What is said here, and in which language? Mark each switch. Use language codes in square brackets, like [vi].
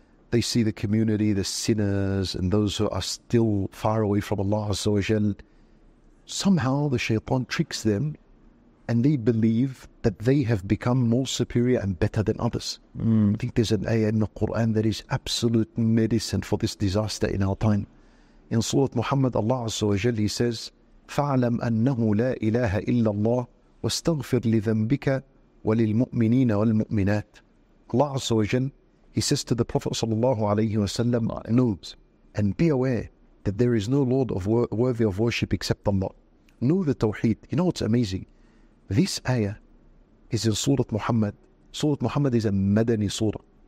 [en] They see the community, the sinners, and those who are still far away from Allah Azza wa Jal. Somehow the shaitan tricks them, and they believe that they have become more superior and better than others. I think there's an ayah in the Quran that is absolute medicine for this disaster in our time. In Surah Muhammad, Allah Azza wa Jalla, he says, [ar] فَعْلَمْ أَنَّهُ لَا إِلَهَ إِلَّا اللَّهِ وَاسْتَغْفِرْ لِذَنْبِكَ وَلِلْمُؤْمِنِينَ وَالْمُؤْمِنَاتِ. [en] Allah Azza wa Jalla, he says to the Prophet Sallallahu Alaihi Wasallam, know and be aware that there is no Lord of worthy of worship except Allah. Know the Tawheed. You know what's amazing? This ayah is in Surah Muhammad. Surah Muhammad is a Madani surah.